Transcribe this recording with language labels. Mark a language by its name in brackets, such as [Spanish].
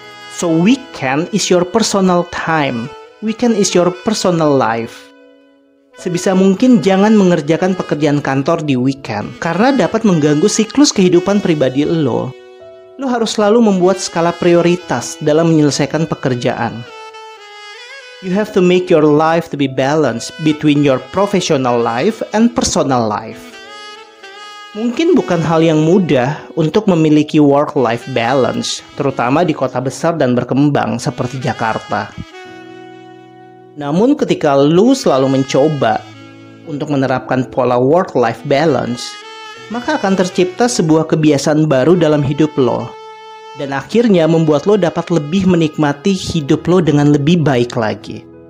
[English] So weekend is your personal time. Weekend is your personal life. [Indonesian] Sebisa mungkin jangan mengerjakan pekerjaan kantor di weekend, karena dapat mengganggu siklus kehidupan pribadi lo. Lo harus selalu membuat skala prioritas dalam menyelesaikan pekerjaan. [English] You have to make your life to be balanced between your professional life and personal life. [Indonesian] Mungkin bukan hal yang mudah untuk memiliki work-life balance, terutama di kota besar dan berkembang seperti Jakarta. Namun ketika lu selalu mencoba untuk menerapkan pola work-life balance, maka akan tercipta sebuah kebiasaan baru dalam hidup lo, dan akhirnya membuat lo dapat lebih menikmati hidup lo dengan lebih baik lagi.